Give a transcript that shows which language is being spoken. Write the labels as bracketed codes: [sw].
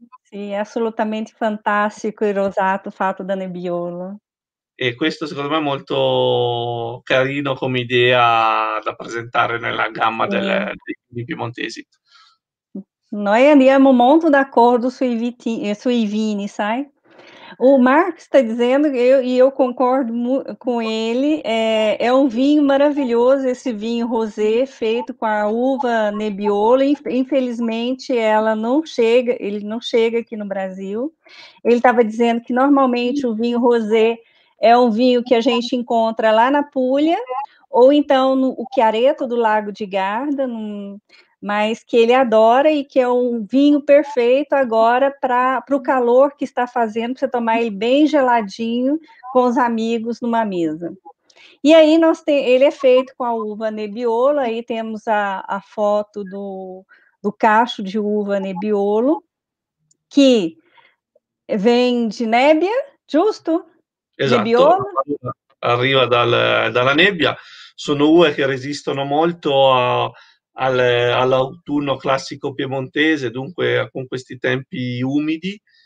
[it] è assolutamente fantastico il rosato fatto da Nebbiolo. E questo secondo me è molto carino come idea da presentare nella gamma Sì. dei piemontesi. Noi andiamo molto d'accordo sui vini, sai? [pt] O Marcos está dizendo, e eu concordo com ele, é um vinho maravilhoso esse vinho rosé feito com a uva Nebbiolo. Infelizmente, ela não chega, ele não chega aqui no Brasil. Ele estava dizendo que normalmente o vinho rosé é um vinho que a gente encontra lá na Puglia, ou então no Chiareto do Lago di Garda, mas que ele adora e que é um vinho perfeito agora para o calor que está fazendo, para você tomar ele bem geladinho com os amigos numa mesa. E aí ele é feito com a uva Nebbiolo, aí temos a foto do cacho de uva Nebbiolo, que vem de Nebbia, justo? [it] Esatto, Nebbiolo? arriva dalla nebbia. Sono uve che resistono molto all'autunno classico piemontese, dunque con questi tempi umidi.